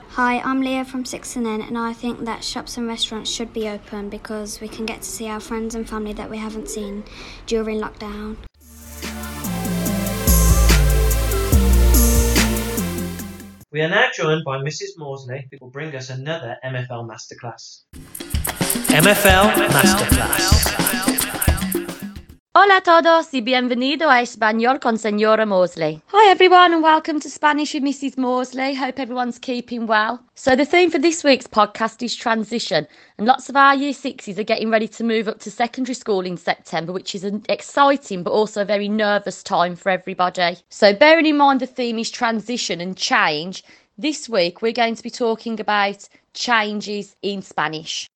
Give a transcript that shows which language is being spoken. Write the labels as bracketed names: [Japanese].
[English] Hi, I'm Leah from 6NN, and I think that shops and restaurants should be open because we can get to see our friends and family that we haven't seen during lockdown. We are now joined by Mrs. Morsley, who will bring us another MFL Masterclass. MFL Masterclass. [Spanish] Hola a todos y bienvenido a Español con Señora Morsley. [English] Hi everyone and welcome to Spanish with Mrs. Morsley. Hope everyone's keeping well. So the theme for this week's podcast is transition, and lots of our year sixes are getting ready to move up to secondary school in September, which is an exciting but also a very nervous time for everybody. So bearing in mind the theme is transition and change, this week we're going to be talking about changes in Spanish.